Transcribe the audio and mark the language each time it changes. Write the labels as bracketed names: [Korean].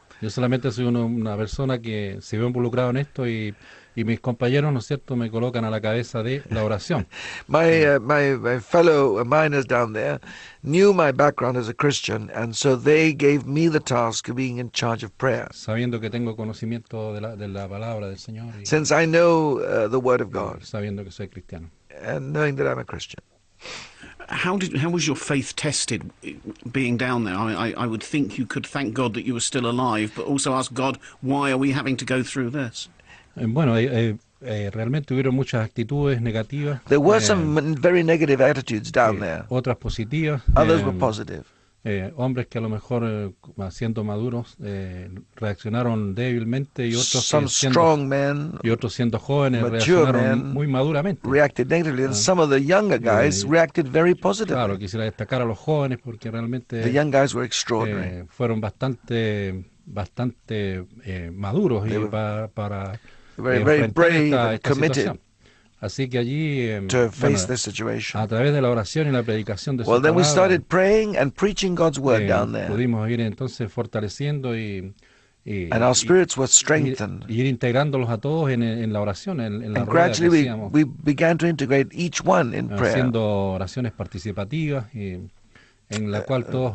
[Spanish] Yo solamente soy una persona que se ve involucrado en esto y mis compañeros, ¿no es cierto?, me colocan a la cabeza de la oración. [English] My fellow miners down there knew my background as a Christian, and so they gave me the task of being in charge of prayer. [Spanish] Sabiendo que tengo conocimiento de la palabra del Señor. Y, [English] since I know the word of God. [Spanish] Sabiendo que soy cristiano. [English] And knowing that I'm a Christian. How was your faith tested being down there? I would think you could thank God that you were still alive, but also ask God, why are we having to go through this? [Spanish] Bueno, realmente hubieron muchas actitudes negativas. [English] There were some very negative attitudes down there. [Spanish] Otras positivas. [English] Others were positive. [Spanish] Hombres que a lo mejor, siendo maduros, reaccionaron débilmente y otros, siendo jóvenes, reaccionaron muy maduramente. [English] Reacted negatively, and some of the younger guys reacted very positively. [Spanish] Claro, quisiera destacar a los jóvenes porque realmente [English] the young guys were extraordinary. [Spanish] Fueron bastante maduros y para enfrentar esta situación. Así que allí, [English] to face this situation. [Spanish] A través de la oración y la predicación de [English] well, then we started praying and preaching God's word down there. [Spanish] Pudimos ir entonces fortaleciendo [English] and our spirits were strengthened. [Spanish] Ir integrándolos a todos en la oración, en la [English] and gradually [Spanish] que hacíamos, [English] we began to integrate each one in prayer. [Spanish] Haciendo oraciones participativas y en la cual todos